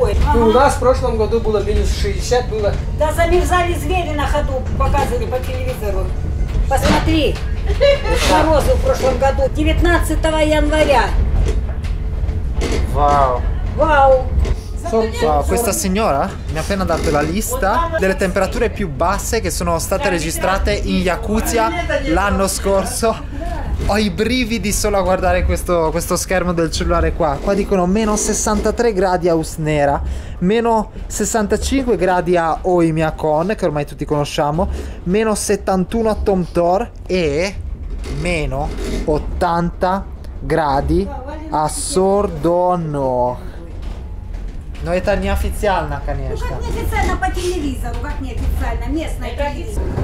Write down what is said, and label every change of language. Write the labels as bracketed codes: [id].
[ru] У нас в прошлом году было минус 60, было. Да замерзали звери на ходу, показывали по телевизору. Посмотри, морозы в прошлом году, 19 января. Вау. Вау. [it] Questa signora mi ha appena dato la lista delle temperature più basse che sono state registrate in Yakutia l'anno scorso. Ho i brividi solo a guardare questo schermo del cellulare qua. Qua dicono meno 63 gradi a Usnera, meno 65 gradi a Oymyakon, che ormai tutti conosciamo, meno 71 a Tomtor e meno 80 gradi a Sordono. [ru] Но это неофициально, конечно. Ну как неофициально по телевизору, как неофициально, местная телевизор.